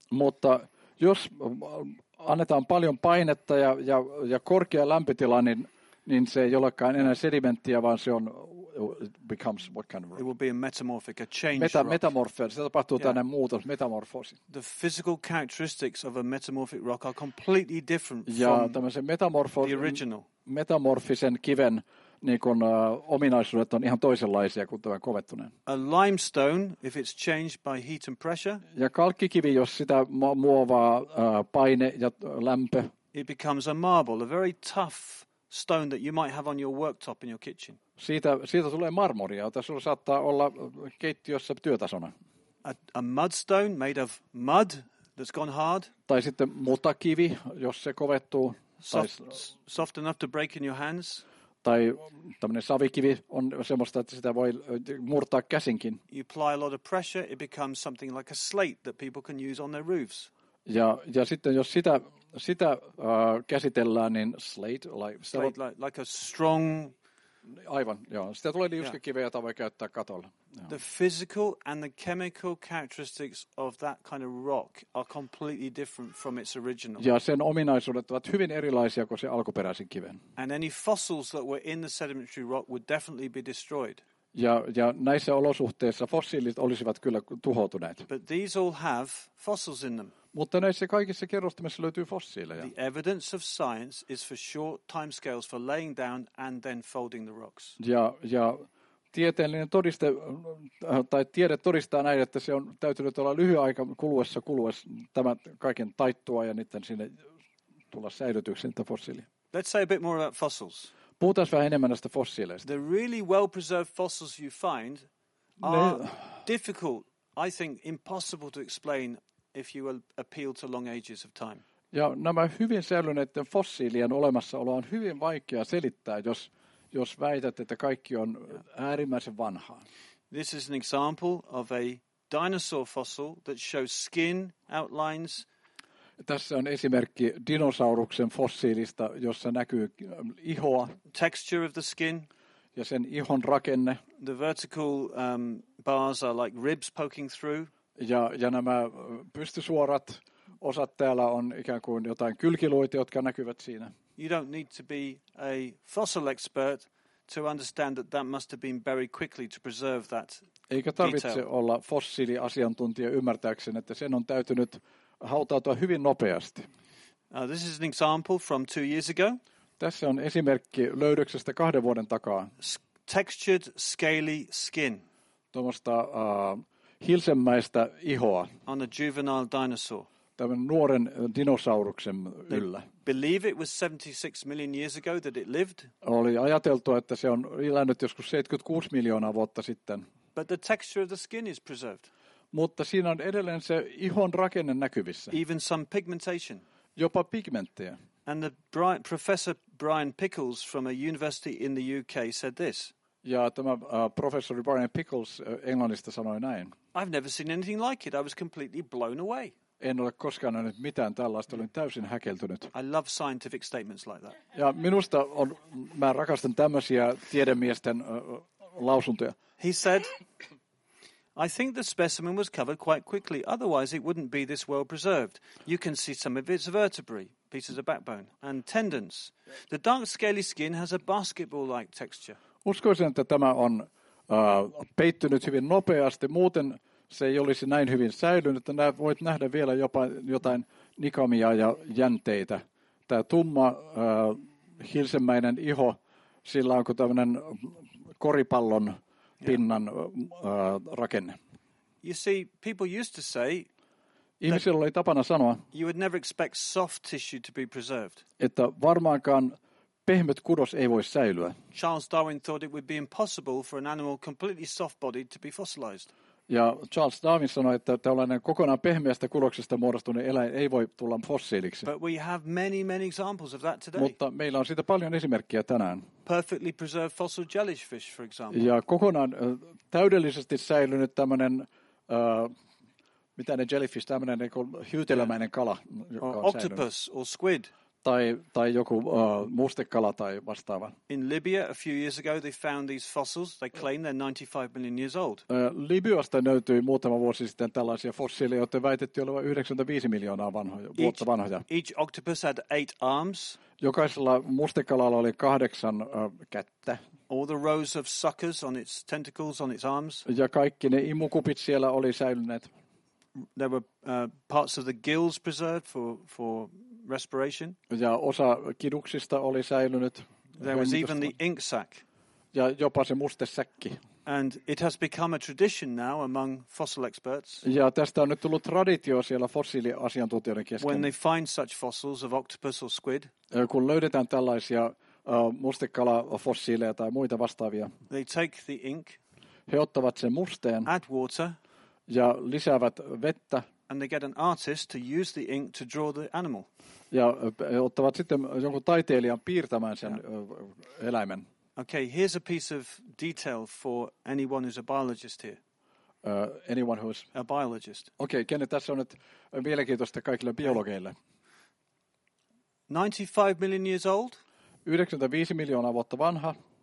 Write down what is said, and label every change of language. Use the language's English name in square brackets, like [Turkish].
[Finnish] Mutta jos annetaan paljon painetta ja korkea lämpötila, niin se ei olekaan enää sedimenttiä, vaan se on [English] becomes what kind of rock? It will be a metamorphic, a change rock. [Finnish] Metamorphosis. Se tapahtuu tällainen muutos, metamorfoosi. [English] The physical characteristics of a metamorphic rock are completely different from the original. [Finnish] Metamorfisen kiven niin kun, ominaisuudet on ihan toisenlaisia kuin tämän kovettuneen. [English] A limestone, if it's changed by heat and pressure. [Finnish] Ja kalkkikivi, jos sitä muovaa paine ja lämpö. [English] It becomes a marble, a very tough stone that you might have on your worktop in your kitchen. [Finnish] Siitä tulee marmoria, jota sulla saattaa olla keittiössä työtasona. [English] A mudstone made of mud that's gone hard. [Finnish] Tai sitten mutakivi, jos se kovettuu. [English] Soft enough to break in your hands. [Finnish] Tai tämmöinen savikivi on semmoista, että sitä voi murtaa käsinkin. [English] You apply a lot of pressure, it becomes something like a slate that people can use on their roofs. [Finnish] Ja sitten jos sitä käsitellään, niin slate. [English] Like a strong. [Finnish] Aivan, joo. Sitä tulee liuskekiveä, jota voi käyttää katolla. [English] The physical and the chemical characteristics of that kind of rock are completely different from its original. [Finnish] Ja sen ominaisuudet ovat hyvin erilaisia kuin se alkuperäisen kiven. [English] And any fossils that were in the sedimentary rock would definitely be destroyed. [Finnish] Ja näissä olosuhteissa fossiilit olisivat kyllä tuhoutuneet. [English] But these all have fossils in them. [Finnish] Mutta näissä kaikissa kerrostumissa löytyy fossiileja. [English] The evidence of science is for short timescales for laying down and then folding the rocks. [Finnish] Ja tieteellinen todiste tai tiede todistaa näin, että se on täytynyt olla lyhyen aika kuluessa tämän kaiken taittua ja sitten sinne tulla säilytyksi niitä fossiilia. [English] Let's say a bit more about fossils. [Finnish] Puhutaan vähän enemmän näistä fossiileista. [English] The really well-preserved fossils you find are difficult, I think impossible to explain if you appeal to long ages of time. [Finnish] Ja nämä hyvin säilyneiden fossiilien olemassaolo on hyvin vaikea selittää, jos väität, että kaikki on äärimmäisen vanhaa. [English] This is an example of a dinosaur fossil that shows skin outlines. [Finnish] Tässä on esimerkki dinosauruksen fossiilista, jossa näkyy ihoa. [English] Texture of the skin. [Finnish] Ja sen ihon rakenne. [English] The vertical bars are like ribs poking through. [Finnish] Ja nämä pystysuorat osat täällä on ikään kuin jotain kylkiluita, jotka näkyvät siinä. [English] You don't need to be a fossil expert to understand that that must have been buried quickly to preserve that. [Finnish] Eikä tarvitse olla fossiiliasiantuntija ymmärtääkseen, että sen on täytynyt hautautua hyvin nopeasti. [English] This is an example from 2 years ago. [Finnish] Tässä on esimerkki löydöksestä 2 vuoden takaa. [English] Textured scaly skin. [Finnish] Tuommoista hilsemmäistä ihoa. [English] On a juvenile dinosaur. [Finnish] Tämän nuoren dinosauruksen yllä. [English] Believe it was 76 million years ago that it lived. [Finnish] Oli ajateltu, että se on elänyt joskus 76 miljoonaa vuotta sitten. [English] But the texture of the skin is preserved. [Finnish] Mutta siinä on edelleen se ihon rakenne näkyvissä. [English] Even some pigmentation. [Finnish] Jopa pigmenttejä. [English] And the professor Brian Pickles from a university in the UK said this. [Finnish] Ja tämä professori Brian Pickles Englannista sanoi näin. [English] I've never seen anything like it. I was completely blown away. [Finnish] En ole koskaan nähnyt mitään tällaista. Olin täysin häkeltynyt. [English] I love scientific statements like that. [Finnish] Ja minusta on, mä rakastan tämmöisiä tiedemiesten lausuntoja. [English] He said, I think the specimen was covered quite quickly. Otherwise it wouldn't be this well preserved. You can see some of its vertebrae, pieces of backbone, and tendons. The dark scaly skin has a basketball-like texture. [Finnish] Uskoisin, että tämä on peittynyt hyvin nopeasti. Muuten se ei olisi näin hyvin säilynyt, että voit nähdä vielä jopa jotain nikamia ja jänteitä. Tämä tumma hilsemäinen iho, sillä on kuin tämmöinen koripallon pinnan rakenne. [English] You see, people used to say, [Finnish] ihmisillä oli tapana sanoa, [English] you would never expect soft tissue to be preserved. [Finnish] Että varmaankaan pehmyt kudos ei voi säilyä. [English] Charles Darwin thought it would be impossible for an animal completely soft-bodied to be fossilized. [Finnish] Ja Charles Darwin sanoi, että tällainen kokonaan pehmeästä kudoksesta muodostunut eläin ei voi tulla fossiiliksi. [English] But we have many, many examples of that today. [Finnish] Mutta meillä on siitä paljon esimerkkejä tänään. [English] Perfectly preserved fossil jellyfish, for example. [Finnish] Ja kokonaan täydellisesti säilynyt tämmöinen, mitä ne jellyfish, tämmöinen hyytelämäinen kala, joka on säilynyt. [English] Octopus or squid. [Finnish] Tai joku mustekala tai vastaava. [English] In Libya a few years ago they found these fossils. They claim they're 95 million years old. [Finnish] Libyasta löytyi muutama vuosi sitten tällaisia fossiileja, joita väitettiin olevan 95 miljoonaa vuotta vanhoja. [English] Each octopus had 8 arms. [Finnish] Jokaisella mustekalalla oli 8 kättä. [English] All the rows of suckers on its tentacles on its arms. [Finnish] Ja kaikki ne imukupit siellä oli säilyneet. [English] There were parts of the gills preserved for respiration. [Finnish] Ja osa kiduksista oli säilynyt. [English] There was even the ink sac. [Finnish] Ja jopa se mustesäkki. [English] And it has become a tradition now among fossil experts. [Finnish] Ja tästä on nyt tullut traditio siellä fossiiliasiantuntijoiden kesken. [English] When they find such fossils of octopus or squid. [Finnish] Kun löydetään tällaisia mustekalafossiileja tai muita vastaavia. [English] They take the ink. [Finnish] He ottavat sen musteen. [English] Add water. [Finnish] Ja lisäävät vettä. [English] And they get an artist to use the ink to draw the animal. [Finnish] Ja ottavat sitten jonkun taiteilijan piirtämään sen eläimen. [English] Okay, here's a piece of detail for anyone who's a biologist here. Anyone who's a biologist. [Finnish] Okay, kenet tässä on nyt mielenkiintoista kaikille biologeille. [English] 95 million years old. [Finnish] 95 miljoonaa vuotta vanha.